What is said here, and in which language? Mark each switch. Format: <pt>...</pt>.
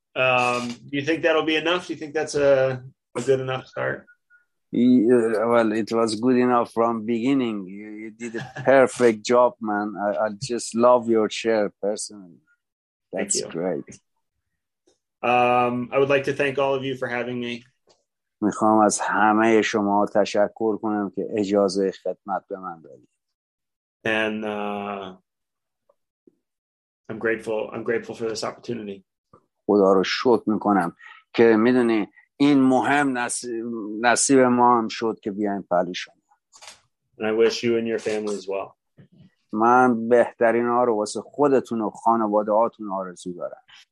<en>Do you think that'll be enough? Do you think that's a good enough start? Yeah, well, it was good enough from beginning. You did a perfect job, man. I just love your share personally. That's great. I would like to thank all of you for having me.</en> <fa>میخوام از همه شما تشکر کنم که اجازه خدمت به من دادید.</fa> <en>And I'm grateful for this opportunity.</en> <fa>خدا رو شکر میکنم که میدونی این مهم نصیب ما هم شد که بیایم پلی شما.</fa> <en>And I wish you and your family as well.</en> <fa>من بهترین ها رو واسه خودتون و خانواده هاتون آرزو دارم.</fa>